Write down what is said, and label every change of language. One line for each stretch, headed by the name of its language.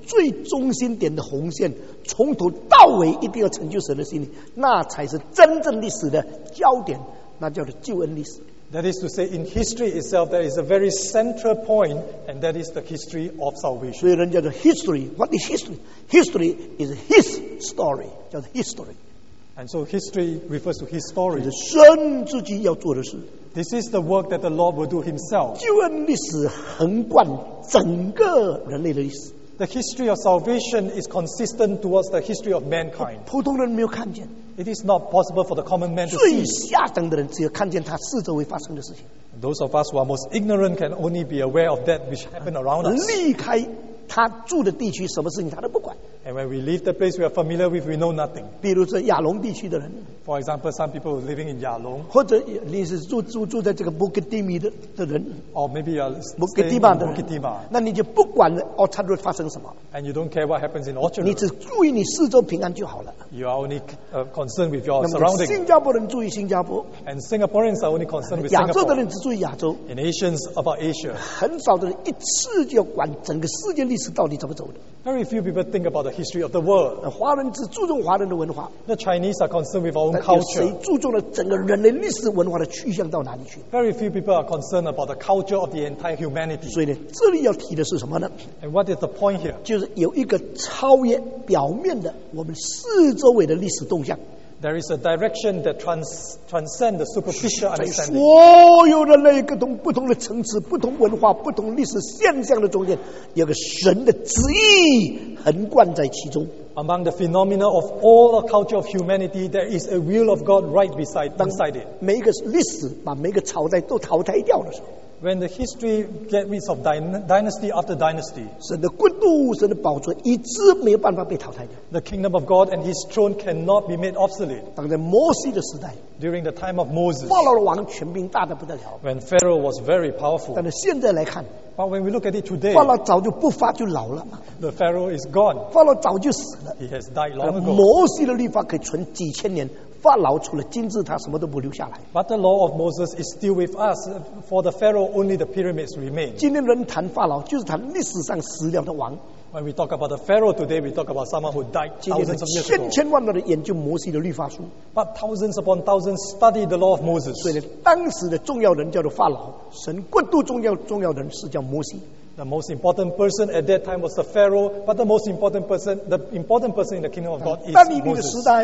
Chinese: 就是在世界历史的中间有一条最中心点的红线, 从头到尾一定要成就神的心意, 那才是真正历史的焦点, 那叫做救恩历史。
English: That is to say, in history itself, there is a very central point, and that is the history of salvation.
Chinese: 所以人叫做
English: history. What is history? History is his story,
Chinese: 叫做
English: history. And so history refers to his story.
Chinese: 就是神自己要做的事。
English: This is the work that the Lord will do himself.
Chinese: 救恩历史横贯整个人类的历史。
English: The history of salvation is consistent towards the history of mankind.
Chinese: 普通人没有看见。
English: It is not possible for the common man to see.
Chinese: 最下等的人只有看见他四周围发生的事情。
English: Those of us who are most ignorant can only be aware of that which happened around us.
Chinese: 离开他住的地区什么事情他都不管。
English: And when we leave the place we are familiar with, we know nothing.
Chinese: 比如说亚龙地区的人,
English: for example, some people living in Yalong,
Chinese: 或者你是住在这个Bukit Timah的人,
English: or maybe you are Bukit Timah
Chinese: 的人,
English: Bukit Timah.
Chinese: 那你就不管 Orchard Road 发生什么,
English: and you don't care what happens in Orchard Road.
Chinese: 你只注意你四周平安就好了。
English: You are only concerned with your surroundings.
Chinese: 新加坡人注意新加坡,
English: and Singaporeans are only concerned with Singapore.
Chinese: 亚洲的人只注意亚洲,
English: and Asians about Asia.
Chinese: 很少的人一次就管整个世界历史到底怎么走的。
English: Very few people think about the history of the world.
Chinese: 华人只注重华人的文化,
English: the Chinese are concerned with our own culture.
Chinese: 谁注重了整个人类历史文化的去向到哪里去?
English: Very few people are concerned about the culture of the entire humanity.
Chinese: 所以这里要提的是什么呢?
English: And what is the point here?
Chinese: 就是有一个超越表面的我们四周围的历史动向。
English: There is a direction that transcends the superficial understanding.
Chinese: 所有人类各种不同的层次、不同文化、不同历史现象的中间，有个神的旨意横贯在其中。
English: Among the phenomena of all the culture of humanity, there is a will of God right beside it.
Chinese: 每一个历史把每一个朝代都淘汰掉的时候。
English: When the history gets rid of dynasty after dynasty,
Chinese: 神的国度、神的宝座一直没有办法被淘汰掉。
English: The kingdom of God and his throne cannot be made obsolete.
Chinese: 当在摩西的时代,
English: during the time of Moses,
Chinese: 法老王权柄大得不得了。
English: When Pharaoh was very powerful,
Chinese: 但是现在来看,
English: but when we look at it today,
Chinese: 法老早就不发就老了嘛。
English: The Pharaoh is gone.
Chinese: 法老早就死了。
English: He has died long ago.
Chinese: 摩西的律法可以存几千年。法老除了金字塔什么都不留下来。
English: But the law of Moses is still with us. For the Pharaoh, only the pyramids remain.
Chinese: 今天人谈法老，就是谈历史上死掉的王。
English: When we talk about the Pharaoh today, we talk about someone who died thousands of years ago.
Chinese: 千千万万的研究摩西的律法书。
English: But thousands upon thousands study the law of Moses.
Chinese: 所以当时的重要人叫做法老，神国度重要人是叫摩西。
English: The most important person at that time was the Pharaoh, but the most important person, the important person in the kingdom of God is Moses.